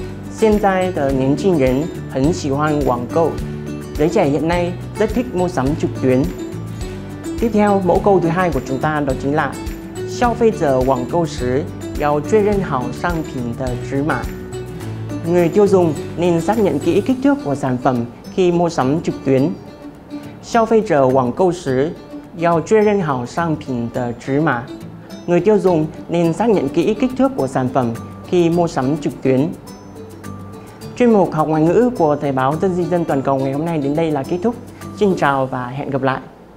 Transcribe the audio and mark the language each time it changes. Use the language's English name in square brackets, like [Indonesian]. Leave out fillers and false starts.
[Chinese] 现在的年轻人很喜欢网购， [Vietnamese] giới trẻ hiện nay rất thích mua sắm trực tuyến. Tiếp theo mẫu câu thứ hai của chúng ta đó chính là [Chinese] 消费者网购时要确认好商品的尺码。 [Vietnamese] Người tiêu dùng nên xác nhận kỹ kích thước của sản phẩm khi mua sắm trực tuyến. [Chinese] 消费者网购时要确认好商品的尺码。 [Vietnamese] Người tiêu dùng nên xác nhận kỹ kích thước của sản phẩm khi mua sắm trực tuyến. Chuyên mục học ngoại ngữ của Thời báo Tân Di Dân toàn cầu ngày hôm nay đến đây là kết thúc. Xin chào và hẹn gặp lại.